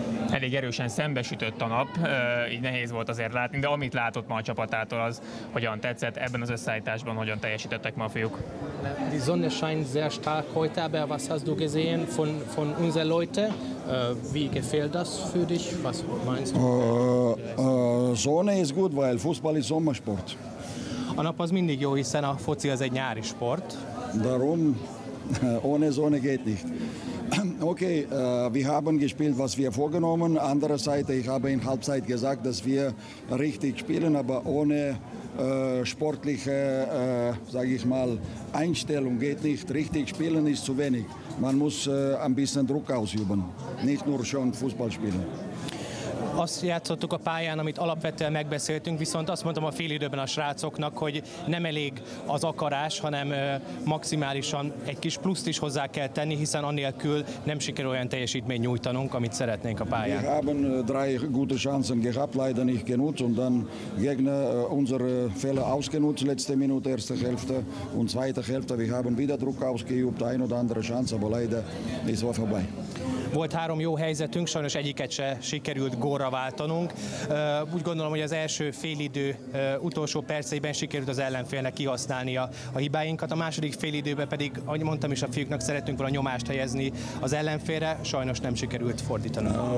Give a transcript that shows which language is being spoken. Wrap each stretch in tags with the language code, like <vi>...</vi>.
<hu>elég erősen szembesütött a nap, így nehéz volt azért látni, de amit látott ma a csapatától, az hogyan tetszett, ebben az összeállításban hogyan teljesítettek ma a fiúk.</hu> <de>Die Sonne scheint sehr stark heute, aber was hast du gesehen von unseren Leuten? Wie gefällt das für dich? Was meinst du? Sonne ist gut, weil Fußball ist Sommersport.</de> <hu>A nap az mindig jó, hiszen a foci az egy nyári sport.</hu> <de>Darum, ohne Sonne geht nicht. Okay, wir haben gespielt, was wir vorgenommen. Andere Seite, ich habe in Halbzeit gesagt, dass wir richtig spielen, aber ohne sportliche, sage ich mal, Einstellung geht nicht. Richtig spielen ist zu wenig. Man muss ein bisschen Druck ausüben, nicht nur schon Fußball spielen.</de> <hu>Azt játszottuk a pályán, amit alapvetően megbeszéltünk, viszont azt mondtam a fél időben a srácoknak, hogy nem elég az akarás, hanem maximálisan egy kis pluszt is hozzá kell tenni, hiszen annélkül nem sikerül olyan teljesítményt nyújtanunk, amit szeretnénk a pályán.</hu> <de>Wir haben drei gute Chancen gehabt, leider nicht genutzt, und dann Gegner unsere Fehler ausgenutzt, letzte Minute, erste Hälfte und zweite Hälfte. Wir haben wieder Druck ausgeübt, ein oder andere Chance, aber leider ist es vorbei.</de> <hu>Volt három jó helyzetünk, sajnos egyiket se sikerült gólra váltanunk. Úgy gondolom, hogy az első félidő utolsó perceiben sikerült az ellenfélnek kihasználnia a hibáinkat. A második félidőben pedig, ahogy mondtam is, a fiúknak szeretünk volna nyomást helyezni az ellenfélre, sajnos nem sikerült fordítani.</hu>